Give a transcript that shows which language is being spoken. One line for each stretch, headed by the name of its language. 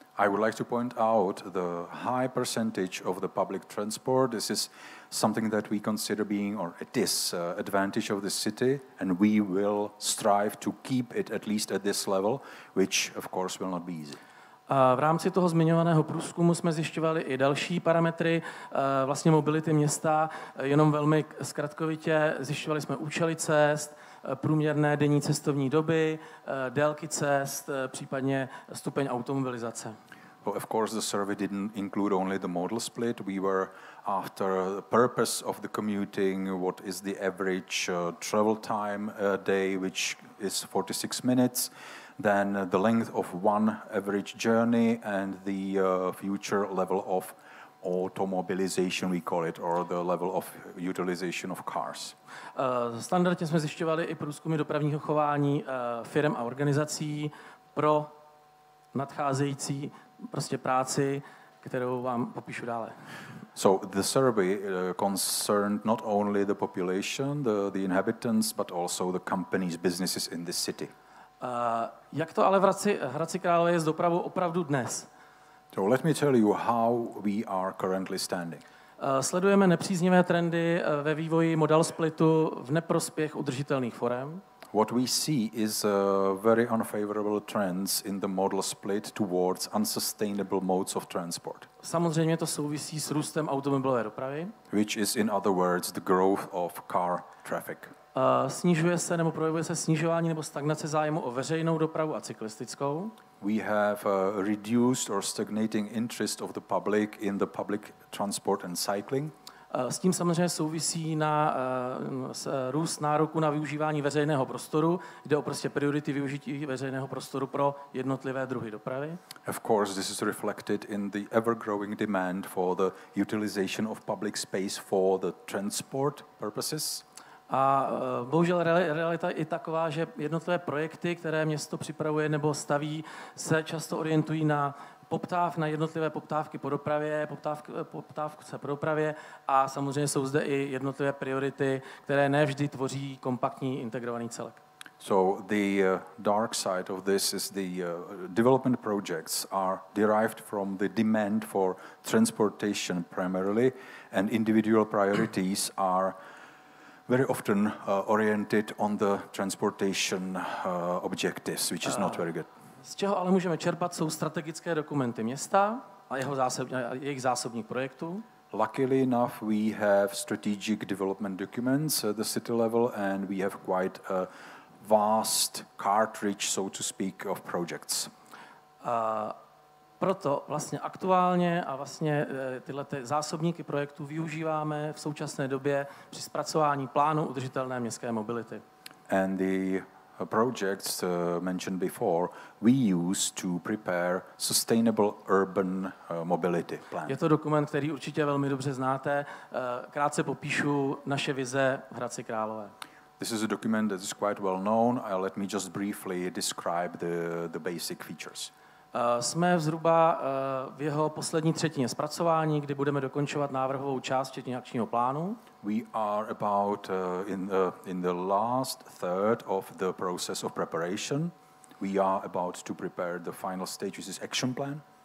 English: I would like to point out the high percentage of the public transport. This is something that we consider being, or it is, advantage of the city, and we will strive to keep it at least at this level, which of course will not be easy.
Czech: V rámci toho zmiňovaného průzkumu jsme zjišťovali i další parametry vlastně mobility města, jenom velmi zkratkovitě zjišťovali jsme účely cest, průměrné denní cestovní doby, délky cest, případně stupeň automobilizace.
English: Well, of course the survey didn't include only the modal split. We were after the purpose of the commuting, what is the average travel time a day, which is 46 minutes, then the length of one average journey and the future level of automobilization, we call it, or the level of utilization of cars.
Czech: Standardně jsme zjišťovali i průzkumy dopravního chování firm a organizací pro nadcházející prostě práci, kterou vám popíšu dále.
English: So the survey concerned not only the population, the inhabitants, but also the companies, businesses in the city.
Czech: Jak to ale v Hradci Králové je s dopravou opravdu dnes?
English: So let me tell you how we are currently standing.
Czech: Sledujeme nepříznivé trendy ve vývoji modal splitu v neprospěch udržitelných forem.
English: What we see is very unfavorable trends in the model split towards unsustainable modes of transport.
Czech: Samozřejmě to souvisí s růstem automobilové dopravy.
English: Which is in other words the growth of car traffic.
Czech: Snižuje se nebo projevuje se snižování nebo stagnace zájmu o veřejnou dopravu a cyklistickou.
English: We have reduced or stagnating interest of the public in the public transport and cycling.
Czech: S tím samozřejmě souvisí na růst nároku na využívání veřejného prostoru, jde o prostě priority využití veřejného prostoru pro jednotlivé druhy dopravy.
English: Of course, this is reflected in the ever-growing demand for the utilization of public space for the transport purposes.
Czech: A bohužel realita je i taková, že jednotlivé projekty, které město připravuje nebo staví, se často orientují na jednotlivé poptávky po dopravě, poptávce pro dopravě a samozřejmě jsou zde i jednotlivé priority, které ne vždy tvoří kompaktní integrovaný celek.
English: So the dark side of this is the development projects are derived from the demand for transportation primarily and individual priorities are very often oriented on the transportation objectives, which is not very good.
Czech: Z čeho ale můžeme čerpat, jsou strategické dokumenty města a jejich zásobník projektů.
English: Luckily enough, we have strategic development documents at the city level and we have quite a vast cartridge, so to speak, of projects.
Czech: Proto vlastně aktuálně a vlastně tyhle zásobníky projektů využíváme v současné době při zpracování plánu udržitelné městské mobility.
English: And the projects mentioned before we use to prepare sustainable urban mobility plan.
Czech: Je to dokument, který určitě velmi dobře znáte. Krátce popíšu naše vize v Hradci Králové.
English: This is a document that is quite well known. Let me just briefly describe the basic features.
Czech: Jsme zhruba v jeho poslední třetině zpracování, kdy budeme dokončovat návrhovou část včetně akčního plánu.
English: We are about in the last third of the process of preparation. We are about to prepare the final stage, which is action plan.